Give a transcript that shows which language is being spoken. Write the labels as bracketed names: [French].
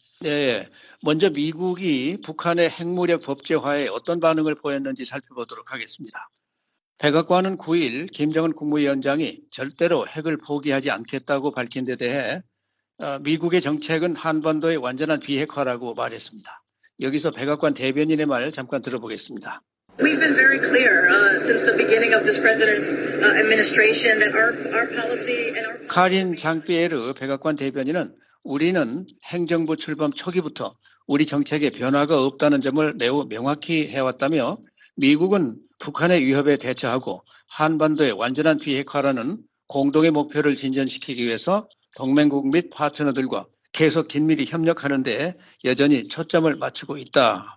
[Korean] 네, 먼저 미국이 북한의 핵무력 법제화에 어떤 반응을 보였는지 살펴보도록 하겠습니다. 백악관은 9일 김정은 국무위원장이 절대로 핵을 포기하지 않겠다고 밝힌 데 대해 미국의 정책은 한반도의 완전한 비핵화라고 말했습니다. 여기서 백악관 대변인의 말 잠깐 들어보겠습니다. [English] We've been very clear since the beginning of this president's administration that our policy and our [Korean] 카린 장피에르 백악관 대변인은 우리는 행정부 출범 초기부터 우리 정책에 변화가 없다는 점을 매우 명확히 해왔다며 미국은 북한의 위협에 대처하고 한반도의 완전한 비핵화라는 공동의 목표를 진전시키기 위해서 동맹국 및 파트너들과 계속 긴밀히 협력하는 데 여전히 초점을 맞추고 있다.